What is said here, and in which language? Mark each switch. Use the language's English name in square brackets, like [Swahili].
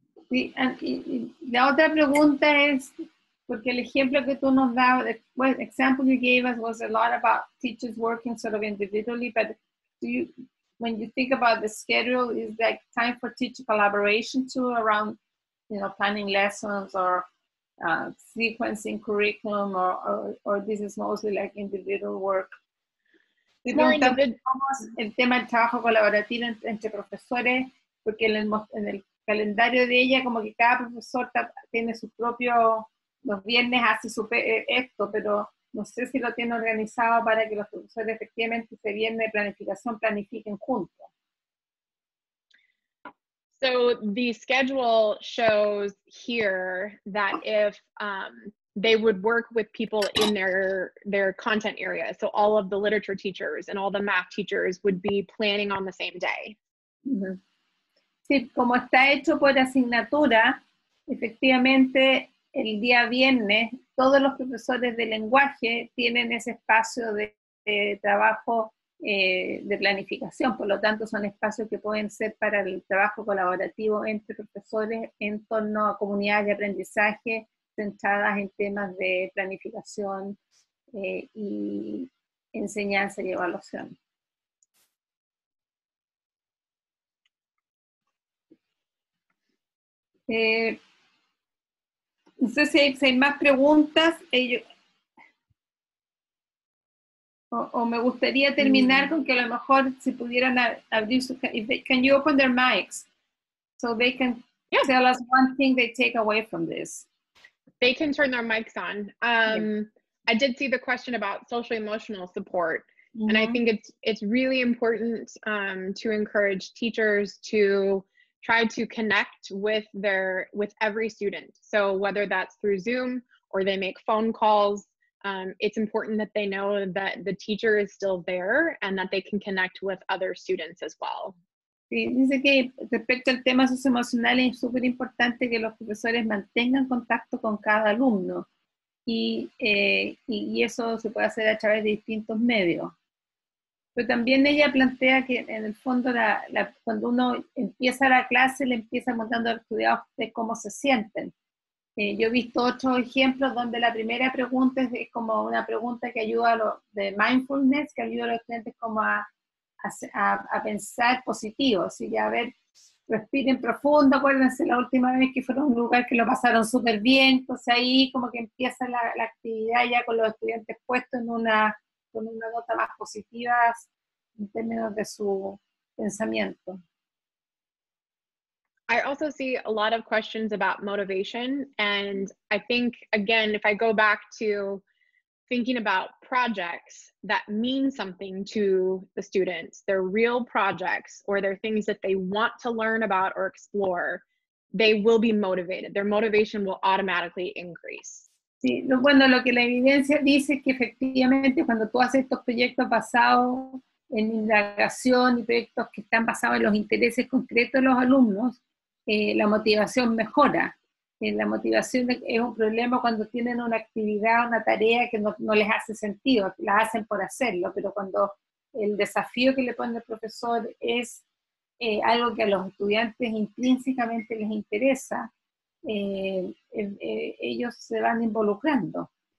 [Spanish] Sí, y la otra pregunta es, porque el ejemplo que tú nos da, [English] well, example you gave us was a lot about teachers working sort of individually, but do you, when you think about the schedule, is that time for teacher collaboration too around, you know, planning lessons or sequencing curriculum or this is mostly like individual work? [Spanish] El tema del trabajo colaborativo entre profesores, porque en el calendario de ella como que cada profesor tiene su propio, los viernes hace su esto, pero no sé si lo tiene organizado para que los profesores efectivamente ese viernes de planificación planifiquen juntos. [English] So the schedule shows here that if they would work with people in their content area, so all of the literature teachers and all the math teachers would be planning on the same day. Mm-hmm. [Spanish] Sí, como está hecho por asignatura, efectivamente, el día viernes, todos los profesores de lenguaje tienen ese espacio de trabajo de planificación. Por lo tanto, son espacios que pueden ser para el trabajo colaborativo entre profesores en torno a comunidades de aprendizaje centradas en temas de planificación y enseñanza y evaluación. No sé si hay más preguntas. O me gustaría terminar con que a lo mejor si pudieran abrir su. [English] Can you open their mics so they can tell us one thing they take away from this? They can turn their mics on. I did see the question about social emotional support, and I think it's really important to encourage teachers to try to connect with their with every student. So whether that's through Zoom or they make phone calls, it's important that they know that the teacher is still there and that they can connect with other students as well. [Spanish] Sí, dice que respecto al tema socioemocional es súper importante que los profesores mantengan contacto con cada alumno y eso se puede hacer a través de distintos medios. Pero también ella plantea que en el fondo cuando uno empieza la clase, le empieza contando al estudiante de cómo se sienten. Yo he visto otros ejemplos donde la primera pregunta es como una pregunta que ayuda a los de mindfulness, que ayuda a los estudiantes como a pensar positivo, así que a ver, respiren profundo, acuérdense la última vez que fueron a un lugar que lo pasaron súper bien, entonces ahí como que empieza la actividad ya con los estudiantes puestos en una con una nota más positiva en términos de su pensamiento. [English] I also see a lot of questions about motivation, and I think, again, if I go back to thinking about projects that mean something to the students, they're real projects or they're things that they want to learn about or explore, they will be motivated. Their motivation will automatically increase. [Spanish] Sí, bueno, lo que la evidencia dice es que efectivamente cuando tú haces estos proyectos basados en indagación y proyectos que están basados en los intereses concretos de los alumnos, la motivación mejora. La motivación es un problema cuando tienen una actividad, una tarea que no les hace sentido, la hacen por hacerlo, pero cuando el desafío que le pone el profesor es algo que a los estudiantes intrínsecamente les interesa, ellos se van involucrando.